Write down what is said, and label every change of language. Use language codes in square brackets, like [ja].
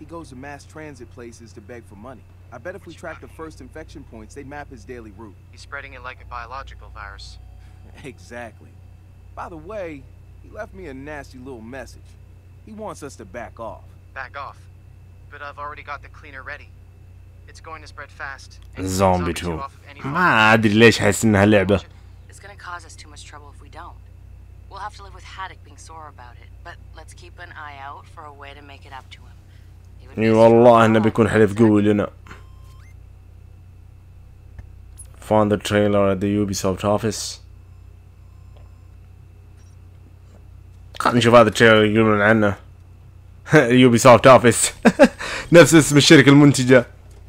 [en] He goes to mass transit places to beg for money. I bet if we track the first infection points, they'd map his daily route. He's spreading it like a biological virus. Exactly. By the way, he left me a nasty little message. He wants us to back off. Back off? But I've already got the cleaner ready. It's going to spread fast. Zombie too. [ar] ما أدري ليش حاسس إنها لعبة. [en] It's going to cause us too much trouble if we don't. We'll have to live with Haddock being sore about it. But let's keep an eye out for a way to make it up to him. [ar] اي والله انه بيكون حلف قوي لنا. [en] Found the trailer at the Ubisoft office. [ar] خلنا نشوف هذا التريلر يقولون عنه. Ubisoft office. نفس اسم الشركة المنتجة.